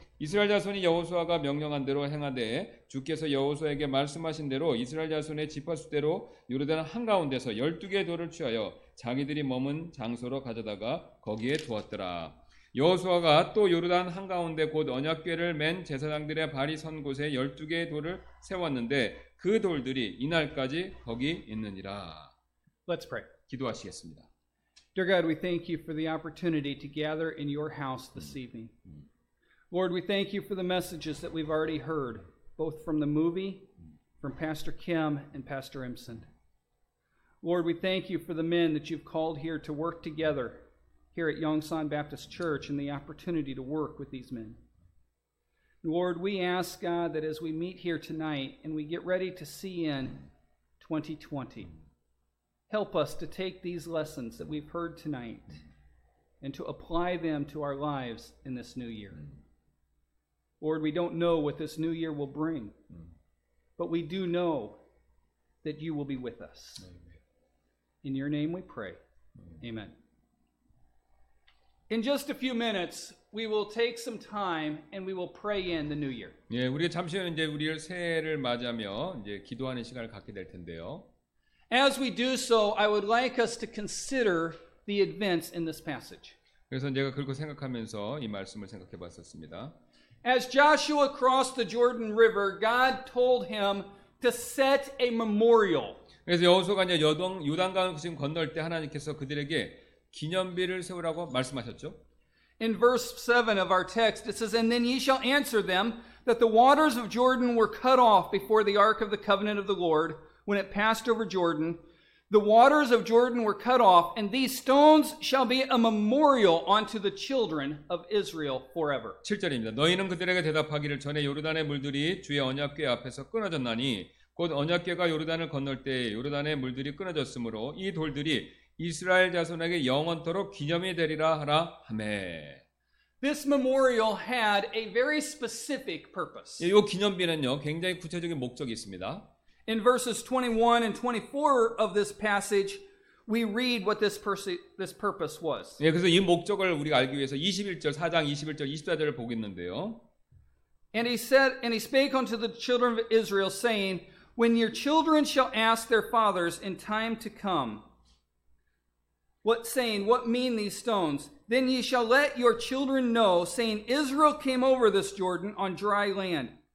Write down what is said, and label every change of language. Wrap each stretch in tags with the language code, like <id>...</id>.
<ko>이스라엘 자손이 여호수아가 명령한 대로 행하되 주께서 여호수아에게 말씀하신 대로 이스라엘 자손의 지파 수대로 요르단 한가운데서 열두 개의 돌을 취하여 자기들이 머문 장소로 가져다가 거기에 두었더라. 여호수아가 또 요르단 한가운데 곧 언약궤를 맨 제사장들의 발이 선 곳에 열두 개의 돌을 세웠는데 그 돌들이 이날까지 거기 있느니라.</ko> <en>Let's pray.</en> <ko>기도하시겠습니다.</ko> <en>Dear God, we thank you for the opportunity to gather in your house this evening. Lord, we thank you for the messages that we've already heard, both from the movie, from Pastor Kim and Pastor Imson. Lord, we thank you for the men that you've called here to work together here at Yongsan Baptist Church and the opportunity to work with these men. Lord, we ask God that as we meet here tonight and we get ready to see in 2020, help us to take these lessons that we've heard tonight and to apply them to our lives in this new year. Lord, we don't know what this new year will bring, but we do know that you will be with us. Amen. In your name we pray. Amen. Amen. In just a few minutes, we will take some time and we will pray in the new year.</en> <ko>예, 우리가 잠시 후에 이제 우리의 새해를 맞이하며 이제 기도하는 시간을 갖게 될 텐데요.</ko> <en>As we do so, I would like us to consider the events in this passage.</en> <ko>그래서 제가 그렇게 생각하면서 이 말씀을 생각해 봤었습니다.</ko> <en>As Joshua crossed the Jordan River, God told him to set a memorial.</en> <ko>그래서 여호수아가 이제 요단강을 지금 건널 때 하나님께서 그들에게 기념비를 세우라고 말씀하셨죠.</ko> <en>In verse 7 of our text, it says, "And then ye shall answer them that the waters of Jordan were cut off before the ark of the covenant of the Lord when it passed over Jordan. The waters of Jordan were cut off, and these stones shall be a memorial unto the children of Israel forever."</en> <ko>7절입니다. 너희는 그들에게 대답하기를 전에 요르단의 물들이 주의 언약궤 앞에서 끊어졌나니 곧 언약궤가 요르단을 건널 때에 요르단의 물들이 끊어졌으므로 이 돌들이 이스라엘 자손에게 영원토록 기념이 되리라 하라. 아멘.</ko> <en>This memorial had a very specific purpose.</en> <ko>이 기념비는요, 굉장히 구체적인 목적이 있습니다.</ko> <en>In verses 21 and 24 of this passage, we read what this purpose was.</en> <ko>예, 그래서 이 목적을 우리가 알기 위해서 21절, 4장 21절, 24절을 보겠는데요.</ko> <en>And he said, and he spake unto the children of Israel, saying, "When your children shall ask their fathers in time to come, what saying, what mean these stones? Then ye shall let your children know, saying, Israel came over this Jordan on dry land.</en>